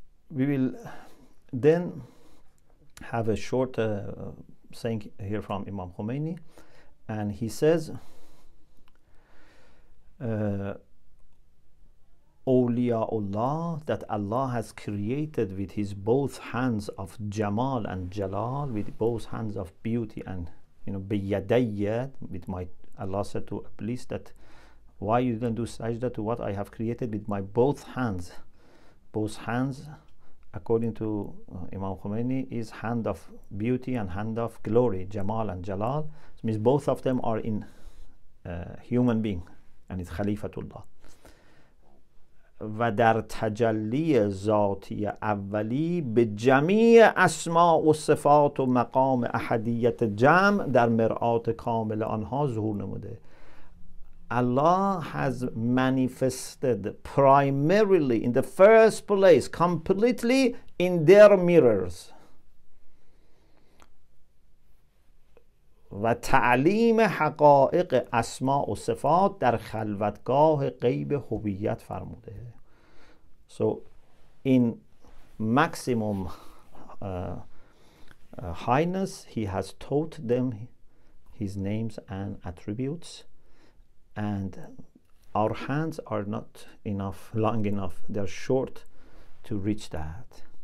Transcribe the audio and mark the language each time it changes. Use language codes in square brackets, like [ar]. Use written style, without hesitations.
[en] We will then have a short saying here from Imam Khomeini, and he says, Awliyaullah, that Allah has created with his both hands of Jamal and Jalal, with both hands of beauty, and you know, biyadayya, with my, Allah said to Iblis that, why you didn't do sajda to what I have created with my both hands? Both hands, according to Imam Khomeini, is hand of beauty and hand of glory, Jamal and Jalal. It means both of them are in human being, and it's Khalifatullah. [fa] و در تجلی ذاتی اولی به جمیع اسماء و صفات و مقام احدیت جمع در مرآت کامل آنها ظهور نموده. [en] Allah has manifested primarily in the first place completely in their mirrors. [fa] و تعلیم حقائق اسماء و صفات در خلوتگاه غیب هویت فرموده. [en] So in maximum highness, he has taught them his names and attributes, and our hands are not enough, long enough, they're short to reach that.